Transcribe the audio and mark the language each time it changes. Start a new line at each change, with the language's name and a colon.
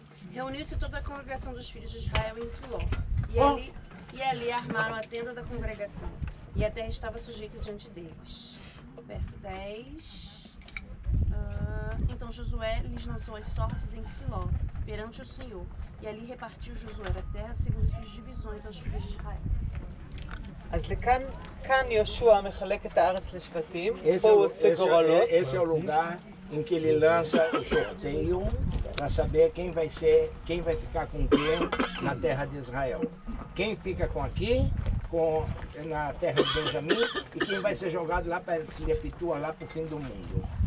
Portuguese: Reuniu-se toda a congregação dos filhos de Israel em Siló. E ali armaram a tenda da congregação. E a terra estava sujeita diante deles. Verso 10. Então Josué lhes lançou as sortes em Siló, perante o Senhor. E ali repartiu Josué a terra segundo suas divisões aos filhos de Israel.
Hebrew: אז לכאן, כאן יהושע מחלק את הארץ לשבטים, פה הוא עושה גורלות. איזה הולוגה?
Portuguese: Em que ele lança o sorteio para saber quem vai ser, quem vai ficar com quem na terra de Israel. Quem fica com aqui, na terra de Benjamim, e quem vai ser jogado lá para se efetuar lá para o fim do mundo.